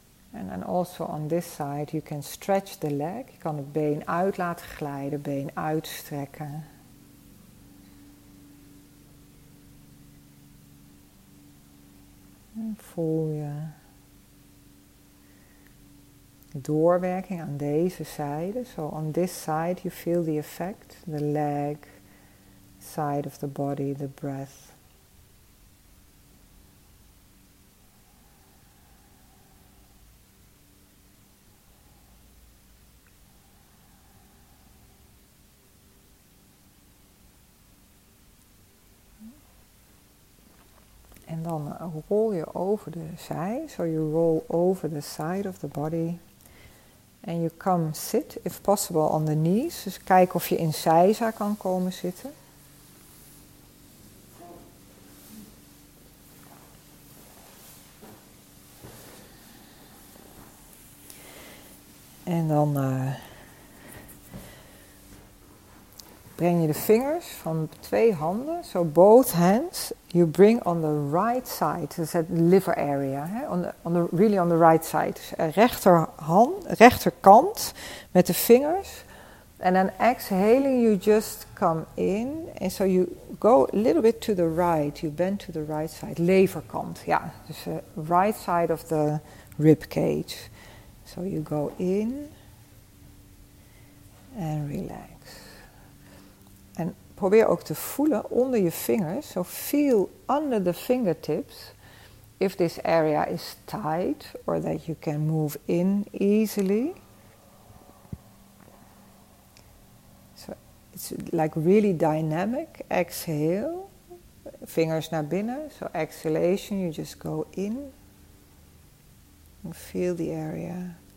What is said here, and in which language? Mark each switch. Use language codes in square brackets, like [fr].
[en] And then also on this side you can stretch the leg. [nl] Je kan het been uit laten glijden, been uitstrekken. En voel je doorwerking aan deze zijde. [en] So on this side you feel the effect, the leg, side of the body, the breath. [nl] En dan rol je over de zij. [en] So you roll over the side of the body. And you come sit, if possible, on the knees. [nl] Dus kijk of je in zijza kan komen zitten. En dan breng je de vingers van 2 handen. [en] So both hands you bring on the right side. Dus het liver area. Hè? On the right side. [nl] Dus rechterkant met de vingers. [en] And then exhaling you just come in. And so you go a little bit to the right. You bend to the right side. Leverkant. Ja, dus right side of the rib cage. So you go in. And relax. [nl] En probeer ook te voelen onder je vingers. [en] So feel under the fingertips if this area is tight or that you can move in easily. So it's like really dynamic. Exhale, fingers [nl] naar binnen. [en] So exhalation, you just go in and feel the area.